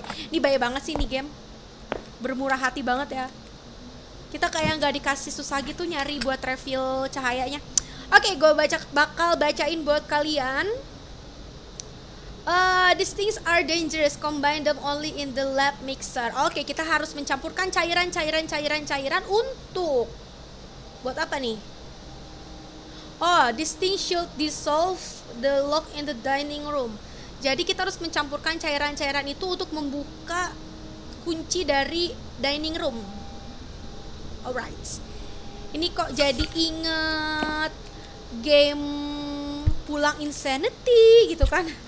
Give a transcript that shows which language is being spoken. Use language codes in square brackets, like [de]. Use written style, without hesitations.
[id] Ini baik banget sih ini game. Bermurah hati banget ya. Kita kayak nggak dikasih susah gitu nyari buat refill cahayanya. Oke, okay, gue bakal bacain buat kalian. [en] These things are dangerous. Combine them only in the lab mixer. [id] Oke, okay, kita harus mencampurkan cairan untuk buat apa nih? [en] Oh, this thing should dissolve the lock in the dining room. [id] Jadi kita harus mencampurkan cairan itu untuk membuka kunci dari dining room. Alright. Ini kok jadi inget game Pulang Insanity gitu kan.